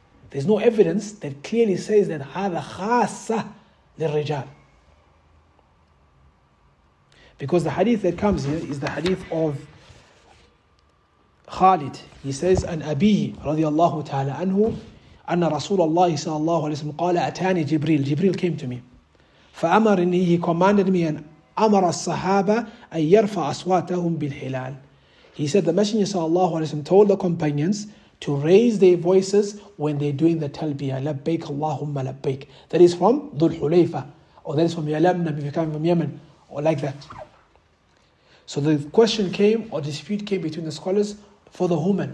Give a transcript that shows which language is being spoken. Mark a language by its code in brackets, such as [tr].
[en] There's no evidence that clearly says that [ar] هذا خاصة للرجال. [en] Because the hadith that comes here is the hadith of Khalid. He says, [ar] أن أبيه رضي الله تعالى عنه أن رسول الله صلى الله عليه وسلم قال أتاني جبريل. [en] Jibril came to me. [ar] فأمرني, [en] he commanded me, and [ar] أمر الصحابة أن يرفع أصواتهم بالهلال. [en] He said, the Messenger sallallahu alayhi wa sallam told the companions to raise their voices when they're doing the talbiyah. [ar] لَبَّيْكَ اللَّهُمَّ لَبَّيْكَ. [en] That is from Dhul Hulayfa. Or that is from Yalamna, if you come from Yemen. Or like that. So the question came, or dispute came between the scholars for the woman.